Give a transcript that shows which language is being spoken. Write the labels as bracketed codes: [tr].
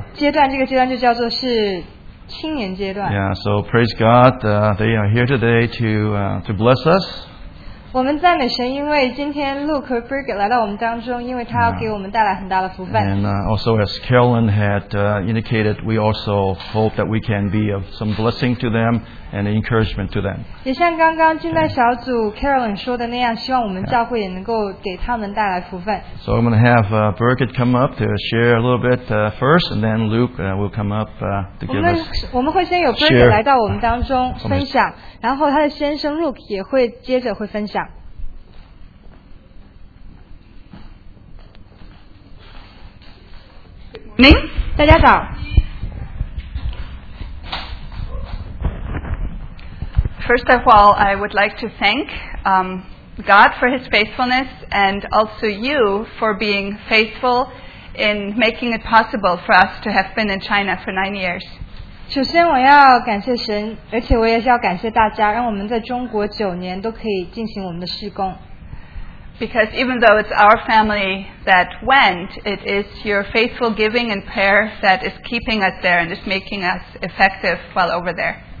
[zh] 四个女儿都在一个阶段，这个阶段就叫做是。 [en] Yeah, so praise God, they are here today to bless us. [zh] 我们赞美神，因为今天Luke和Birgit来到我们当中， 因为他要给我们带来很大的福分。 [en] And also, as Carolyn had indicated, we also hope that we can be of some blessing to them and encouragement to them. [zh] 也像刚刚进来小组Carolyn说的那样， 希望我们教会也能够给他们带来福分。 [en] So I'm going to have Birgit come up to share a little bit first, and then Luke will come up to give us [zh] 我们会先有Birgit来到我们当中分享。然后他的先生 Luke 也会接着会分享。 [en] Good morning, [zh] 大家早。 [en] First of all, I would like to thank God for His faithfulness and also you for being faithful in making it possible for us to have been in China for 9 years. [zh] 首先我要感谢神，而且我也要感谢大家，让我们在中国九年都可以进行我们的事工。 [en] Because even though it's our family that went, it is your faithful giving and prayer that is keeping us there and is making us effective while over there.